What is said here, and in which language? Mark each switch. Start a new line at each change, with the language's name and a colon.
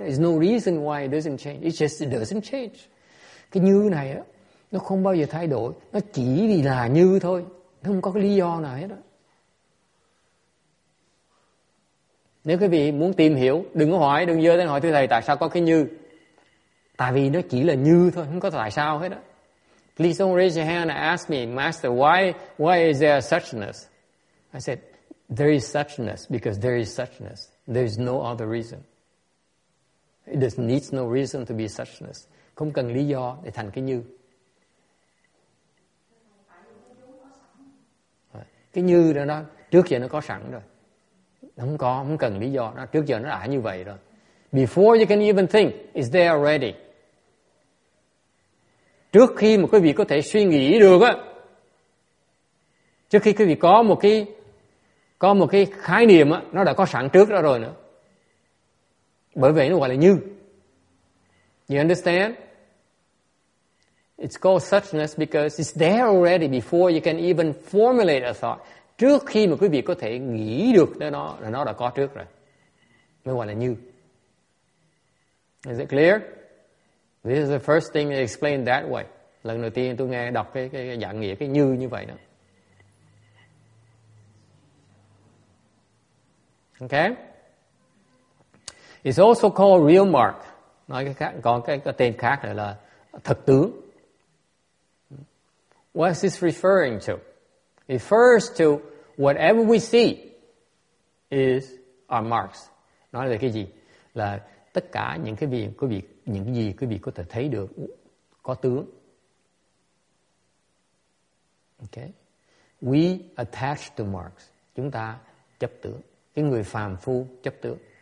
English: There's no reason why it doesn't change. It just doesn't change.
Vietnamese: Cái như này á, nó không bao giờ thay đổi. Nó chỉ vì là như thôi. Nó không có cái lý do nào hết đó. Nếu quý vị muốn tìm hiểu, đừng có hỏi, đừng dơ đến hỏi thưa thầy tại sao có cái như. Tại vì nó chỉ là như thôi, không có tại sao hết đó.
English: Please don't raise your hand and ask me, Master, why is there suchness? I said, there is suchness because there is suchness. There is no other reason. It just needs no reason to be suchness.
Vietnamese: Không cần lý do để thành cái như. Cái như đó nó trước giờ nó có sẵn rồi. Nó không cần lý do, nó trước giờ nó đã như vậy rồi.
English: Before you can even think, it's there already.
Vietnamese: Trước khi mà quý vị có thể suy nghĩ được á, trước khi quý vị có một cái khái niệm á, nó đã có sẵn trước đó rồi nữa. Bởi vậy nó gọi là như.
English: You understand? It's called suchness because it's there already before you can even formulate a thought.
Vietnamese: Trước khi mà quý vị có thể nghĩ được đó, nó đã có trước rồi. Mới gọi là như.
English: Is it clear? This is the first thing they explain that way.
Vietnamese: Lần đầu tiên tôi nghe đọc cái dạng nghĩa cái như như vậy đó.
English: Okay? It's also called real mark.
Vietnamese: Nói cái khác, còn cái tên khác là thực tướng.
English: What is this referring to? It refers to whatever we see is our marks.
Vietnamese: Nói là cái gì? Là tất cả những cái gì quý vị, những cái gì quý vị có thể thấy được có tướng.
English: Okay. We attach to marks.
Vietnamese: Chúng ta chấp tướng. Cái người phàm phu chấp tướng.